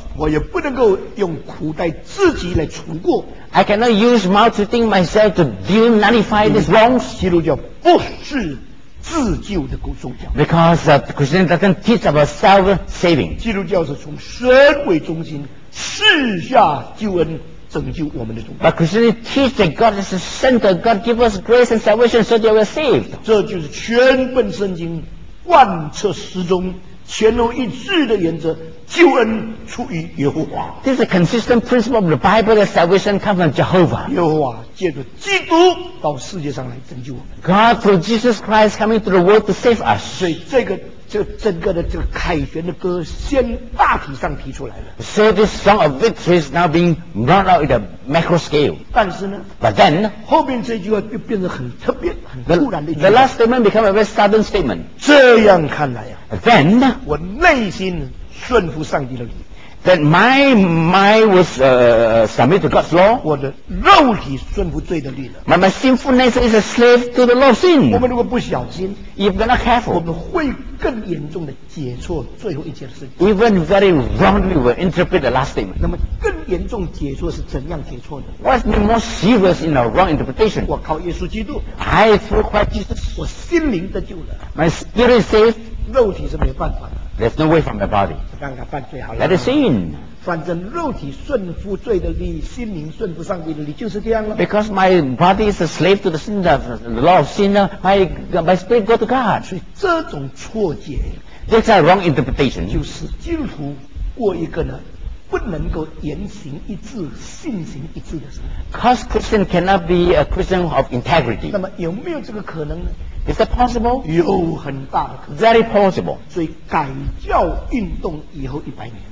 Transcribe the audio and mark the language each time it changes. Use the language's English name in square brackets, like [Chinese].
[Chinese] 我也不能够用苦待自己来除过。 [English] I cannot use maltreating myself to nullify this wrongs. [Chinese] 基督教不是自救的宗教。 [English] Because Christianity doesn't teach about self-saving. [Chinese] 基督教是从神为中心，赐下救恩。拯救我们的宗教。 [English] But Christianity teaches that God is the center. God gives us grace and salvation so that we are saved. [Chinese] 这就是全本圣经贯彻始终全无一致的原则，救恩出于耶和华。 [English] This is a consistent principle of the Bible that salvation comes from Jehovah. [Chinese] 耶和华借着基督到世界上来拯救我们。 [English] God through Jesus Christ coming to the world to save us. [Chinese] 所以这整个的这个凯旋的歌先大体上提出来了。 [English] So this song of victory is now being brought out in a macro scale. [Chinese] 但是呢 [English] ，But then [Chinese] 后面这句话就变得很特别、很突然的一句。 [English] The last statement become a very sudden statement. [Chinese] 这样看来啊 [English] ，Then [Chinese] 我内心顺服上帝的理。 [English] That my mind was submit to God's law. [Chinese] 我的肉体顺服罪的律了。 [English] My sinful nature is a slave to the law of sin. [Chinese] 我们如果不小心 [English] ，if we're not careful， [Chinese] 我们会更严重的解错最后一节的事情。 [English] Even very wrongly we interpret the last statement. [Chinese] 那么更严重解错是怎样解错的 [English] ？What's been more serious in a wrong interpretation？ [Chinese] 我靠耶稣基督 [English] ，I through Christ Jesus， [Chinese] 我心灵得救了。 [English] My spirit is saved， [Chinese] 肉体是没办法的。 [English] There's no way from the body. [Chinese] 让他犯罪好了。 [English] Let it sin. [Chinese] 反正肉体顺服罪的力，心灵顺服上帝的力，就是这样了。 [English] Because my body is a slave to the sin of the law of sin, my spirit go to God. [Chinese] 所以这种错解 [English] ，That's a wrong interpretation. [Chinese] 就是基督徒过一个呢，不能够言行一致、信行一致的生活。 [English] Because Christian cannot be a Christian of integrity. [Chinese] 那么有没有这个可能呢？ [English] Is that possible? [Chinese] 有很大的可能。 [English] Very possible. [Chinese] 所以改教运动以后一百年。